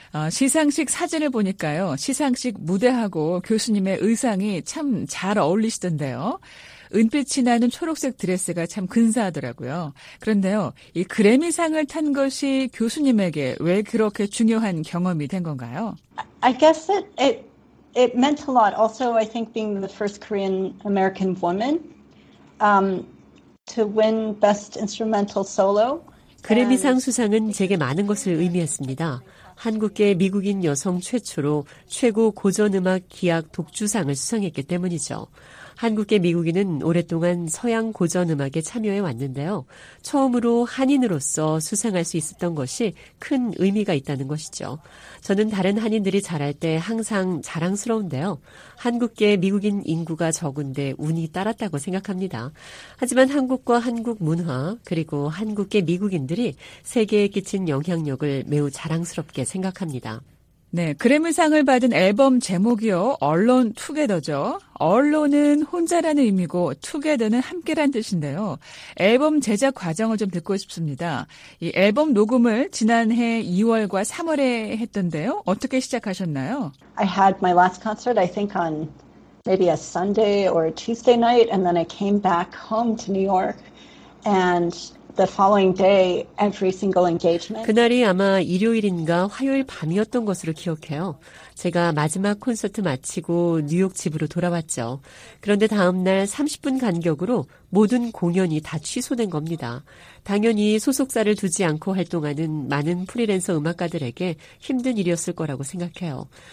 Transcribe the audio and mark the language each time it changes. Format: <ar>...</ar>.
<ko>시상식 사진을 보니까요. 시상식 무대하고 교수님의 의상이 참 잘 어울리시던데요. 은빛이 나는 초록색 드레스가 참 근사하더라고요. 그런데요, 이 그래미상을 탄 것이 교수님에게 왜 그렇게 중요한 경험이 된 건가요?</ko> <en>I guess it meant a lot. Also, I think being the first Korean American woman to win Best Instrumental Solo.</en> <ko>그래미상 수상은 제게 많은 것을 의미했습니다. 한국계 미국인 여성 최초로 최고 고전음악 기악 독주상을 수상했기 때문이죠. 한국계 미국인은 오랫동안 서양 고전음악에 참여해 왔는데요. 처음으로 한인으로서 수상할 수 있었던 것이 큰 의미가 있다는 것이죠. 저는 다른 한인들이 잘할 때 항상 자랑스러운데요. 한국계 미국인 인구가 적은데 운이 따랐다고 생각합니다. 하지만 한국과 한국 문화 그리고 한국계 미국인들이 세계에 끼친 영향력을 매우 자랑스럽게 생각합니다. 네, 그래미상을 받은 앨범 제목이요. Alone Together죠. Alone은 혼자라는 의미고 Together는 함께란 뜻인데요. 앨범 제작 과정을 좀 듣고 싶습니다. 이 앨범 녹음을 지난해 2월과 3월에 했던데요. 어떻게 시작하셨나요?</ko> <en>I had my last concert I think on maybe a Sunday or a Tuesday night and then I came back home to New York and the following day every single engagement</en> <ko>그날이 아마 일요일인가 화요일 밤이었던 것으로 기억해요. 제가 마지막 콘서트 마치고 뉴욕 집으로 돌아왔죠. 그런데 다음 날 30분 간격으로 모든 공연이 다 취소된 겁니다. 당연히 소속사를 두지 않고 활동하는 많은 프리랜서 음악가들에게 힘든 일이었을 거라고 생각해요.</ko>